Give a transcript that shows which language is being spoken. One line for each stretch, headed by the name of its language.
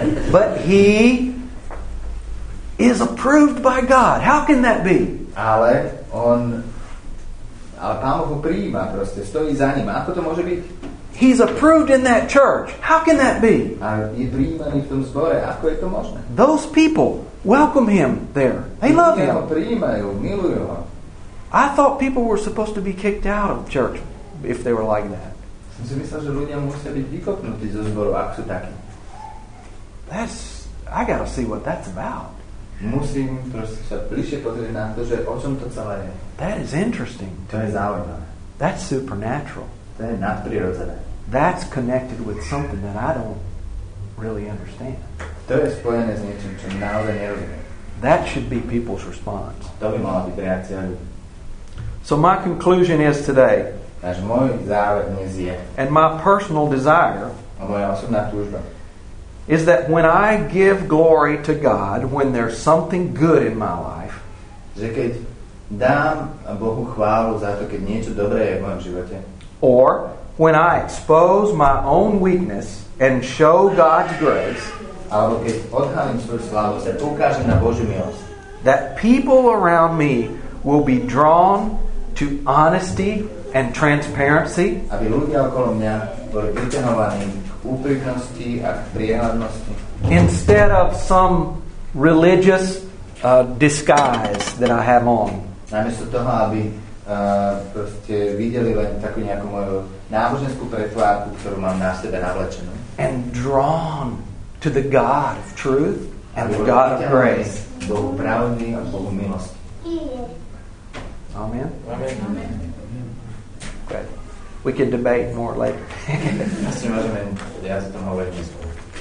English: But he is approved by God. How can that be?
Slovak: Ale on, ale Pán ho prijíma, proste stojí za ním. Ako to môže byť?
English: He's approved in that church. How can that be?
Slovak: A je prijímaný v tom zbore. Ako je to možné?
English: Those people welcome him there. They love him.
Slovak: Ho prijímajú, milujú ho.
English: I thought people were supposed to be kicked out of church if they were like that.
Slovak: Som si myslel, že ľudia musia byť vykopnutí zo zboru, ak sú takí.
English: That's, I gotta see what that's about.
Slovak: Musím proste sa bližšie pozrieť na to, že o čom to celé je.
English: That is interesting.
Slovak: To je zaujímavé.
English: That's supernatural.
Slovak: To je nadprirodzené.
English: That's connected with something that I don't really understand.
Slovak: To je spojené s niečím, čo naozaj nerozumiem.
English: That should be people's response.
Slovak: To by mala byť reakcia ľudí.
English: So my conclusion is today,
Slovak: až môj záver dnes je,
English: and my personal desire,
Slovak: a moja osobná túžba,
English: is that when I give glory to God when there's something good in my life,
Slovak: že keď dám Bohu chválu za to, keď niečo dobré je v mojom živote,
English: or when I expose my own weakness and show God's grace,
Slovak: alebo keď odhalím svoju slabosť a ukážem na Božiu milosť,
English: that people around me will be drawn to honesty and transparency,
Slovak: aby ľudia okolo mňa boli vyťahovaní k úprimnosti a k priehľadnosti,
English: instead of some religious disguise that I have on,
Slovak: namiesto toho, aby proste videli len takú nejakú moju náboženskú pretvárku, ktorú mám na sebe navlečenú,
English: and drawn to the God of truth and the God of grace,
Slovak: Bohu pravdy a Bohu milosti.
English: Amen. Amen. Amen. Great. We can debate more later.